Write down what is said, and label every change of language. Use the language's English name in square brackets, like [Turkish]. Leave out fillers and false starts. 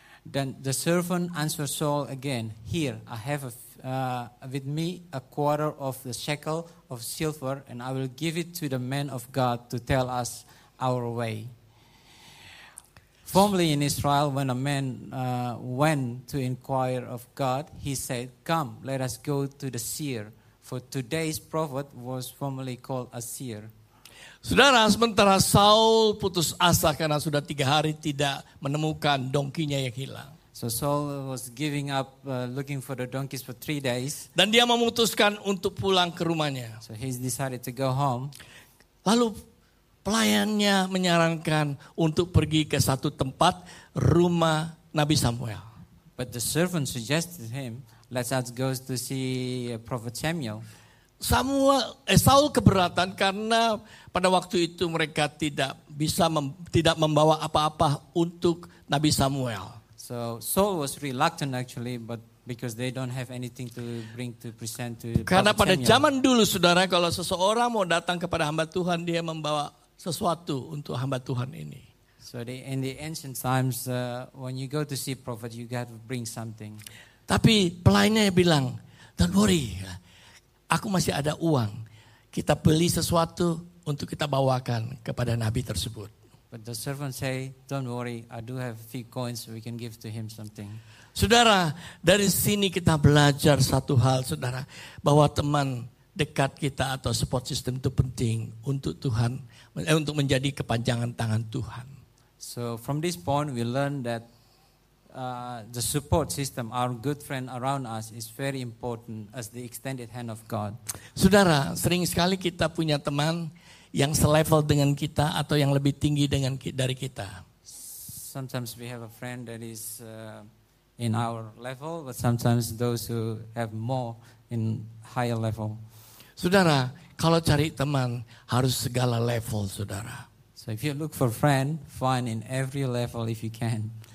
[English] Then the servant answered Saul again, "Here, I have with me a quarter of the shekel of silver, and I will give it to the man of God to tell us our way." Formerly in Israel, when a man went to inquire of God, he said, "Come, let us go to the seer." For today's prophet was formerly called a seer. [Indonesian] Saudara, sementara Saul putus asa karena sudah 3 hari tidak menemukan donkinya yang hilang. [English] So Saul was giving up looking for the donkeys for 3 days. [Indonesian] Dan dia memutuskan untuk pulang ke rumahnya. [English] So he decided to go home. [Indonesian] Lalu pelayannya menyarankan untuk pergi ke satu tempat, rumah Nabi Samuel. [English] But the servant suggested him, "Let's us go to see Prophet Samuel." [Indonesian] Saul keberatan karena pada waktu itu mereka tidak membawa apa-apa untuk Nabi Samuel. [English] So Saul was reluctant actually, but because they don't have anything to bring to present to. [Indonesian] Karena pada zaman dulu, saudara, kalau seseorang mau datang kepada hamba Tuhan, dia membawa sesuatu untuk hamba Tuhan ini. [English] So in the ancient times, when you go to see prophet, you got to bring something. [Indonesian] Tapi pelayannya bilang, [English] "Don't worry, [Indonesian] aku masih ada uang. Kita beli sesuatu untuk kita bawakan kepada nabi tersebut." [English] But the servant say, "Don't worry, I do have few coins, we can give to him something." [Indonesian] Saudara, dari sini kita belajar satu hal, saudara, bahwa teman dekat kita atau support system itu penting untuk Tuhan, untuk menjadi kepanjangan tangan Tuhan. [English] So from this point we learn that the support system, our good friend around us, is very important as the extended hand of God. [Indonesian] Saudara, sering sekali kita punya teman yang selevel dengan kita atau yang lebih tinggi dengan dari kita. [English] Sometimes we have a friend that is in our level, but sometimes those who have more in higher level. [Indonesian] Saudara, kalau cari teman harus segala level, saudara. [English] So if you look for friend, find in every level if you can.